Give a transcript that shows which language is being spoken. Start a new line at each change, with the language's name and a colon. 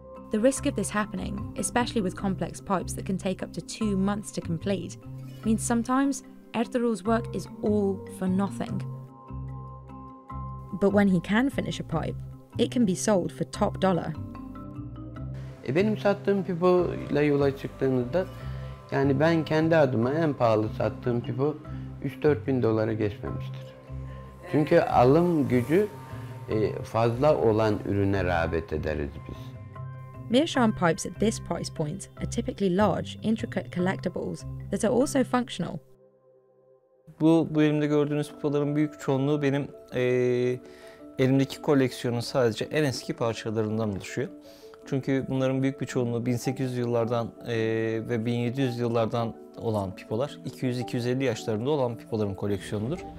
English: The risk of this happening, especially with complex pipes that can take up to 2 months to complete, means sometimes Ertuğrul's work is all for nothing. But when he can finish a pipe, it can be sold for top dollar.
Turkish: Benim sattığım pipo ile yola çıktığınızda, yani ben kendi adıma en pahalı sattığım pipo 3-4 bin dolara geçmemiştir. Çünkü alım gücü fazla olan ürüne rağbet ederiz biz.
English: Meerschaum pipes at this price point are typically large, intricate collectibles that are also functional.
Turkish: Bu elimde gördüğünüz pipoların büyük çoğunluğu benim elimdeki koleksiyonun sadece en eski parçalarından oluşuyor. Çünkü bunların büyük bir çoğunluğu 1800 yıllardan ve 1700 yıllardan olan pipolar, 200-250 yaşlarında olan pipoların koleksiyonudur.